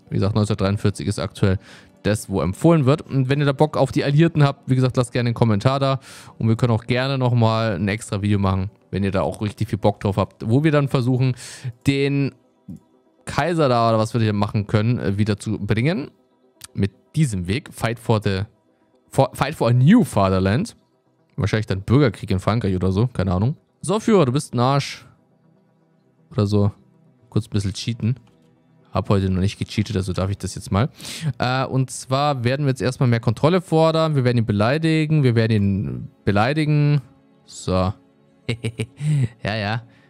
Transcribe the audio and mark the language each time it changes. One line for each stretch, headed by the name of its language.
German: Wie gesagt, 1943 ist aktuell das, wo empfohlen wird. Und wenn ihr da Bock auf die Alliierten habt, wie gesagt, lasst gerne einen Kommentar da. Und wir können auch gerne nochmal ein extra Video machen, wenn ihr da auch richtig viel Bock drauf habt, wo wir dann versuchen, den Kaiser da, oder was wir hier machen können, wieder zu bringen. Mit diesem Weg.
English: Fight for a new Fatherland.
German: Wahrscheinlich dann Bürgerkrieg in Frankreich oder so. Keine Ahnung. So, Führer, du bist ein Arsch. Oder so. Kurz ein bisschen cheaten. Hab heute noch nicht gecheatet, also darf ich das jetzt mal. Und zwar werden wir jetzt erstmal mehr Kontrolle fordern. Wir werden ihn beleidigen. Wir werden ihn beleidigen. So. Ja, ja.